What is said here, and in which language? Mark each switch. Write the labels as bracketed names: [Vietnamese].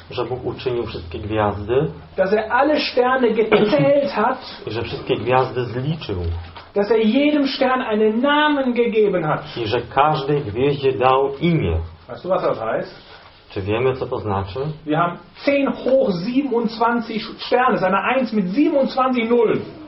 [Polish] że Bóg uczynił wszystkie gwiazdy, [German] dass er alle Sterne gezählt hat, [Polish] że wszystkie gwiazdy zliczył, [German] dass er jedem Stern einen Namen gegeben hat, [Polish] i że każdej gwieździe dał imię. [German] Weißt du, was das heißt? [Polish] Czy wiemy, co to znaczy? [German] Wir haben 10 hoch 27 Sterne, das ist eine 1 mit 27 Nullen.